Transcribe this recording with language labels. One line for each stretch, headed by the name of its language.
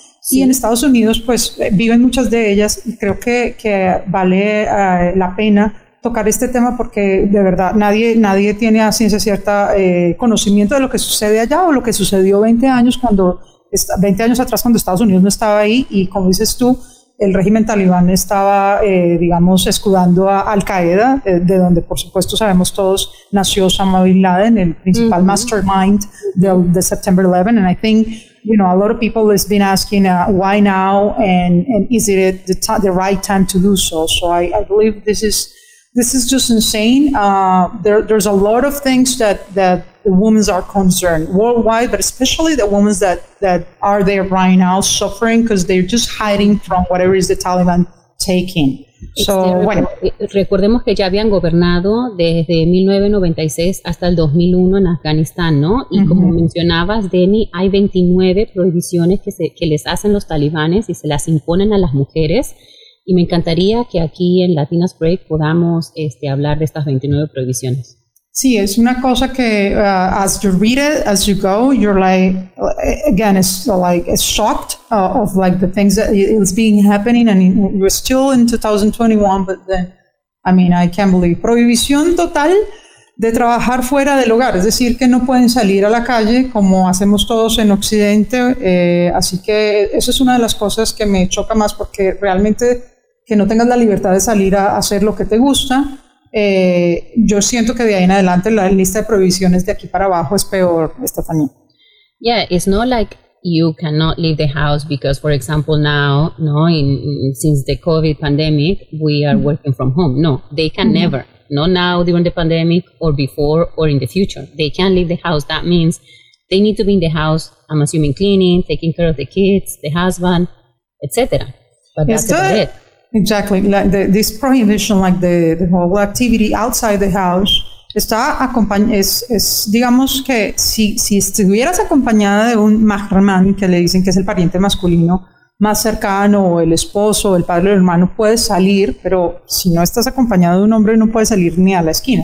Spanish: Sí. Y en Estados Unidos, pues, viven muchas de ellas, y creo que vale la pena tocar este tema, porque de verdad nadie tiene a ciencia cierta conocimiento de lo que sucede allá o lo que sucedió 20 años atrás cuando Estados Unidos no estaba ahí, y como dices tú, el régimen talibán estaba, digamos, escudando a Al-Qaeda, de donde, por supuesto, sabemos todos, nació Osama Bin Laden, el principal mastermind de
English: September 11. And I think, you know, a lot of people have been asking, why now? And is it the right time to do so? So I believe this is just insane. There's a lot of things that the women are concerned worldwide, but especially the women that are there right now suffering because they're just hiding from whatever is the Taliban taking.
Spanish: Bueno. Recordemos que ya habían gobernado desde 1996 hasta el 2001 en Afganistán, ¿no? Y uh-huh. como mencionabas, Denny, hay 29 prohibiciones que les hacen los talibanes y se las imponen a las mujeres. Y me encantaría que aquí en Latinas Break podamos hablar de estas 29 prohibiciones. Sí, es una cosa que
English: as you read it, as you go, you're like, again, it's like it's shocked of like the things that is being happening. And we're still in 2021, but then, I mean, I can't believe.
Spanish: Prohibición total de trabajar fuera del hogar. Es decir, que no pueden salir a la calle como hacemos todos en Occidente. Así que esa es una de las cosas que me choca más, porque realmente que no tengas la libertad de salir a hacer lo que te gusta. Yo siento que de ahí en adelante la lista de prohibiciones de aquí para abajo es peor, Estefanía.
English: Yeah, it's not like you cannot leave the house because, for example, now, no, since the COVID pandemic, we are working from home. No, they can never, not now during the pandemic or before or in the future. They can't leave the house. That means they need to be in the house, I'm assuming cleaning, taking care of the kids, the husband, etc. But that's about it. Exactly. Like this prohibition, like the whole activity outside the house,
Spanish: está es digamos que si estuvieras acompañada de un mahrman, que le dicen que es el pariente masculino más cercano, o el esposo, el padre o el hermano, puedes salir, pero si no estás acompañada de un hombre, no puedes salir ni a la esquina.